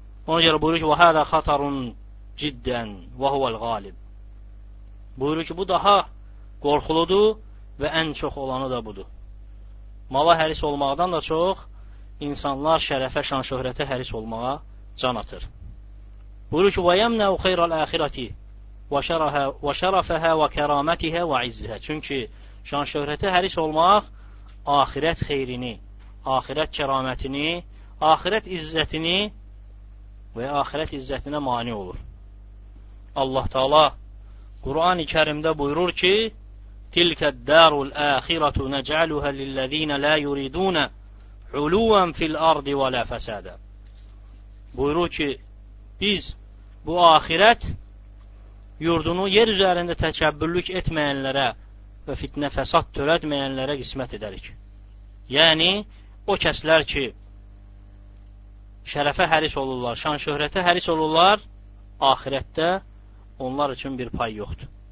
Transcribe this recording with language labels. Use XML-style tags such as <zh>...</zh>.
<ar>Ona görə buyurur ki, "Və hədə xatarun ciddən və huvəl qalib."</ar> <az>Buyurur ki, bu daha qorxuludur və ən çox olanı da budur. Mala həris olmaqdan da çox insanlar şərəfə şan-şöhrətə həris olmağa can atır. Buyurur ki,</az> <ar>وَيَمْنَا وَخَيْرَ الْآخِرَةِ وَشَرَفَهَا وَكَرَامَتِهَا وَعِزِّهَا.</ar> <az>Çünki şan-şöhrətə həris olmaq ahirət xeyrini, ahirət kəramətini, ahirət izzətini və ahirət izzətinə mani olur. Allah Teala Qur'an-ı Kerimdə buyurur ki,</az> <ar>تِلْكَ الدَّارُ الْآخِرَةُ نَجْعَلُهَا لِلَّذ۪ينَ لَا يُرِيدُونَ عُلُوًا فِي الْأَرْضِ وَلَا فَسَادًا.</ar> <az>Buyurur ki, biz bu ahirət yurdunu yer üzərində təkəbbürlük etməyənlərə ve fitne fesat törətməyənlərə qismət edərik. Yəni, o kəslər ki, şərəfə həris olurlar, şan şöhrətə həris olurlar, ahirətdə onlar üçün bir pay yoxdur.</az>